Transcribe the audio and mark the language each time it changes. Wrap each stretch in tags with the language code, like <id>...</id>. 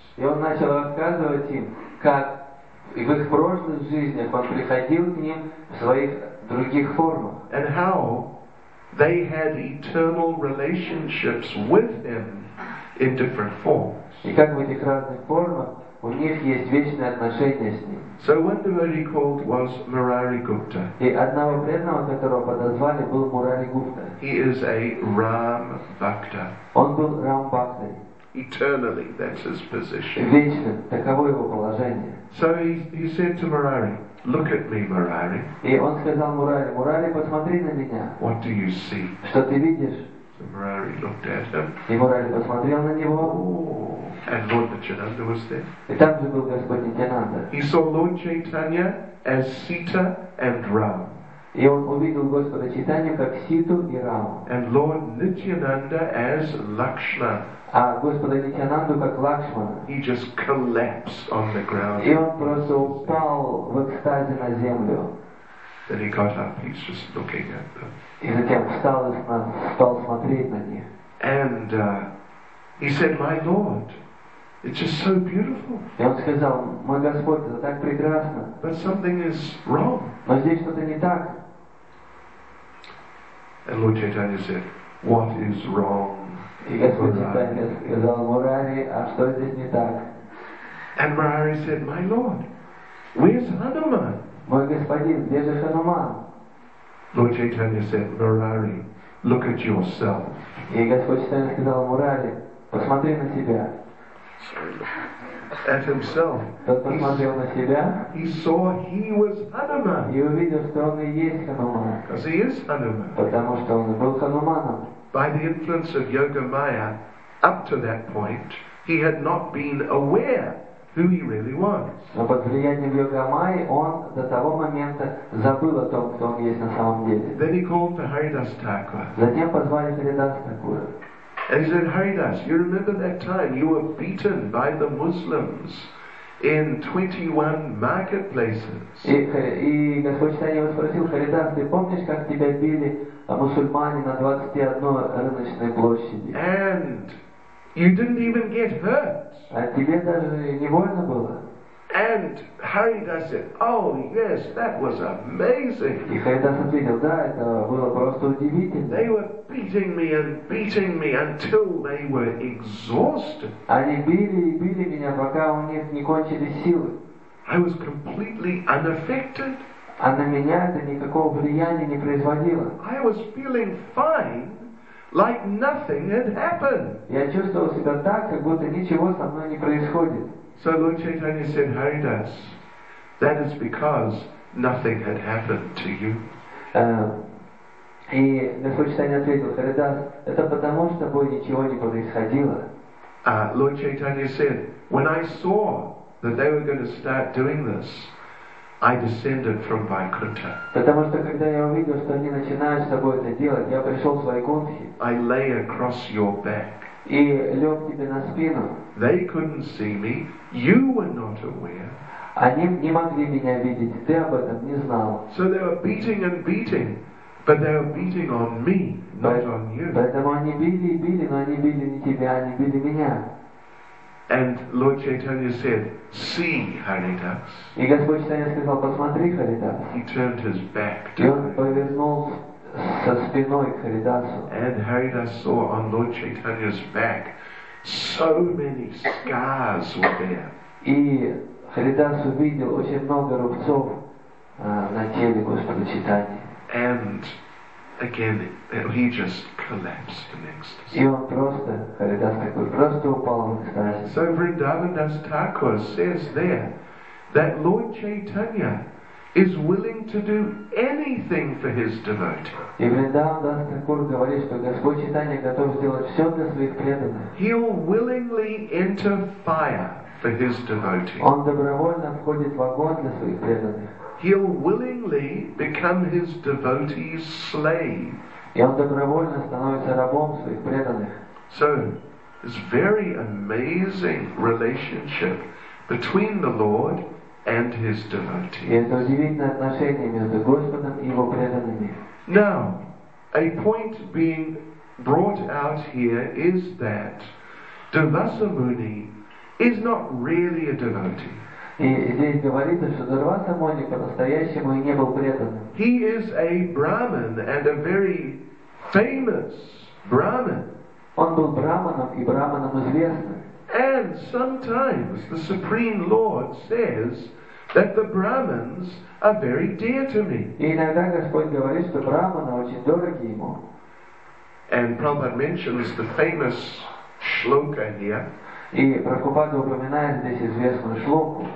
<ru>И он начал рассказывать им, как в их прошлых жизнях он приходил к ним в своих других формах.</ru> <en>And how they had eternal relationships with him in different forms.</en> <ru>И как в этих разных формах у них есть вечные отношения с ним.</ru> <en>So one devotee called was Murari Gupta.</en> <ru>И одного преданного, которого подозвали, был Мурари Гупта.</ru> <en>He is a Ram Bhakta.</en> <ru>Он был Рам Бхактой.</ru> <en>Eternally, that's his position.</en> <ru>Вечно, таково его положение.</ru> <en>So he said to Murari, look at me, Murari.</en> <ru>И он сказал Мурари, Мурари, посмотри на меня.</ru> <en>What do you see?</en> <ru>Что ты видишь?</ru> <en>So Murari looked at him.</en> <ru>И Мурари посмотрел на него.</ru> <en>And Lord Nityananda was there.</en> <ru>И там же был Господь Нитянанда.</ru> <en>He saw Lord Chaitanya as Sita and Ram.</en> <ru>И он увидел Господа Чайтанью как Ситу и Раму.</ru> <en>And Lord Nityananda as Lakshmana.</en> <ru>А Господа Нитянанду как Лакшмана.</ru> <en>He just collapsed on the ground.</en> <ru>И он просто упал в экстазе на землю.</ru> <en>Then he got up. He's just looking at them.</en> <ru>И затем встал и стал смотреть на них.</ru> <en>And he said, "My Lord, it's just so beautiful."</en> <ru>И он сказал, мой Господь, это так прекрасно.</ru> <en>But something is wrong.</en> <ru>Но здесь что-то не так.</ru> <en>And Lord Chaitanya said, "What is wrong?"</en> <ru>И Господь Чайтанья сказал, Мурари, а что здесь не так?</ru> <en>And Murari said, "My Lord, where's Hanuman?"</en> <ru>Мой господин, где же Хануман?</ru> <en>Lord Chaitanya said, Murari, look at yourself.</en> <ru>И Господь Чайтанья сказал, Мурари, посмотри на себя.</ru> <en>At himself.</en> <ru>Тот посмотрел на себя.</ru> <en>He saw he was Hanuman.</en> <ru>И увидел, что он и есть Хануман.</ru> <en>Because he is Hanuman.</en> <ru>Потому что он и был Хануманом.</ru> <en>By the influence of Yoga Maya, up to that point, he had not been aware who he really was.</en> <ru>Но под влиянием Йога Майи он до того момента забыл о том, кто он есть на самом деле.</ru> <en>Then he called for Haridas Thakura.</en> <ru>Затем позвали Харидаса Такура.</ru> <en>And he said, Haridas, you remember that time you were beaten by the Muslims in 21 marketplaces?</en> <ru>И Господь Чайтанья его спросил, Харидас, ты помнишь, как тебя били мусульмане на 21 рыночной площади?</ru> <en>And you didn't even get hurt.</en> <ru>А тебе даже не больно было?</ru> <en>And Haridas said, oh yes, that was amazing.</en> <ru>И Харидас ответил, да, это было просто удивительно.</ru> <en>They were beating me until they were exhausted.</en> <ru>Они били и били меня, пока у них не кончились силы.</ru> <en>I was completely unaffected.</en> <ru>А на меня это никакого влияния не производило.</ru> <en>I was feeling fine, like nothing had happened.</en> <ru>Я чувствовал себя так, как будто ничего со мной не происходит.</ru> <en>So Lord Chaitanya said, Haridas, that is because nothing had happened to you.</en> <ru>И Господь Чайтанья ответил, Харидас, это потому, с тобой ничего не происходило.</ru> <en>Lord Chaitanya said, when I saw that they were going to start doing this, I descended from Vaikuntha.</en> <ru>Потому что когда я увидел, что они начинают с тобой это делать, я пришел с Вайкунтхи.</ru> <en>I lay across your back.</en> <ru>И лег тебе на спину.</ru> <en>They couldn't see me. You were not aware.</en> <ru>Они не могли меня видеть. Ты об этом не знал.</ru> <en>So they were beating and beating, but they were beating on me, not on you.</en> <ru>Поэтому они били и били, но они били не тебя, они били меня.</ru> <en>And Lord Chaitanya said, "See, Haridas."</en> <ru>И Господь Чайтанья сказал, посмотри, Харидас.</ru> <en>He turned his back to him.</en> <ru>И он повернулся со спиной к Харидасу.</ru> <en>And Haridas saw on Lord Chaitanya's back so many scars were there.</en> <ru>И Харидас увидел очень много рубцов на теле Господа Чайтаньи.</ru> <en>And again, he just collapsed in ecstasy.</en> <ru>И он просто, Харидас такой, просто упал в экстазе.</ru> <en>So Vrindavan Das Thakur says there that Lord Chaitanya is willing to do anything for his devotee.</en> <ru>И Vrindavan Das Thakur говорит, что Господь Чайтанья готов сделать все для своих преданных.</ru> <en>He'll willingly enter fire for his devotee.</en> <ru>Он добровольно входит в огонь для своих преданных.</ru> <en>He'll willingly become his devotee's slave.</en> <ru>И он добровольно становится рабом своих преданных.</ru> <en>So, it's very amazing relationship between the Lord and his devotee.</en> <ru>И это удивительное отношение между Господом и его преданными.</ru> <en>Now, a point being brought out here is that Durvasamuni is not really a devotee.</en> <ru>И здесь говорится, что Дурвасса Муни по-настоящему и не был преданным.</ru> <en>He is a Brahman and a very famous Brahman.</en> <ru>Он был Брахманом и Брахманом известным.</ru> <en>And sometimes the Supreme Lord says that the Brahmins are very dear to me.</en> <ru>И иногда Господь говорит, что Брахманы очень дороги ему.</ru> <en>And Prabhupada mentions the famous shloka here.</en> <ru>И Прабхупада упоминает здесь известную шлоку.</ru>